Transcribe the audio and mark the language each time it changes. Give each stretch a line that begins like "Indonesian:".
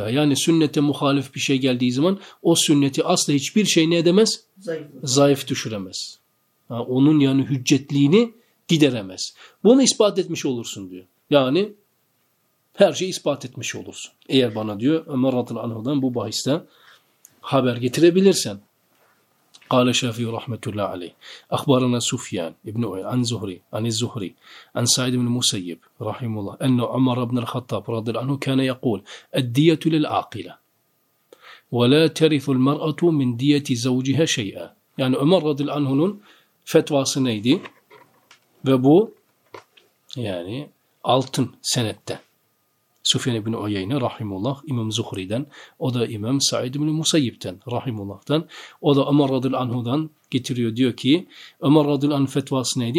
Turkish: Yani sünnete muhalif bir şey geldiği zaman o sünneti asla hiçbir şey ne edemez? Zayıf düşüremez. Yani onun yani hüccetliğini gideremez. Bunu ispat etmiş olursun diyor. Yani her şeyi ispat etmiş olursun. Eğer bana diyor Ömer radıyallahu anh'dan bu bahiste haber getirebilirsen.
Arabic: قال شافي رحمه الله عليه اخبرنا سفيان ابن عن زهري عن الزهري عن سعيد بن مسيب رحمه الله ان عمر بن الخطاب رضي الله عنه كان يقول الديه للعاقله ولا ترث المراه من ديه زوجها شيئا.
Turkish: Yani Ömer radıyallahu anh'un fetvası neydi? Ve bu yani altın senette Sufyan ibn Uyeyne rahimullah İmam Zuhri'den, o da İmam Said ibn Musayyib'den rahimullah'tan, o da Ömer radıyallahu anh'dan getiriyor diyor ki Ömer radıyallahu anh'ın fetvası neydi?